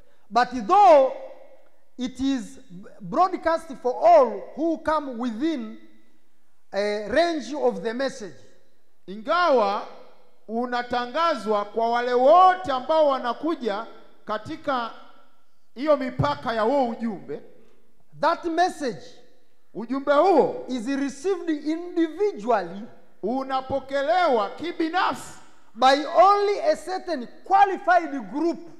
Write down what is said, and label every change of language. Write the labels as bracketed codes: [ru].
[en] But though it is broadcast for all who come within a range of the message. [sw] Ingawa unatangazwa kwa wale wote ambao wanakuja katika hiyo mipaka ya huo ujumbe. [en] That message, [sw] ujumbe huo, [en] is received individually, [sw] unapokelewa kibinafsi, [en] by only a certain qualified group,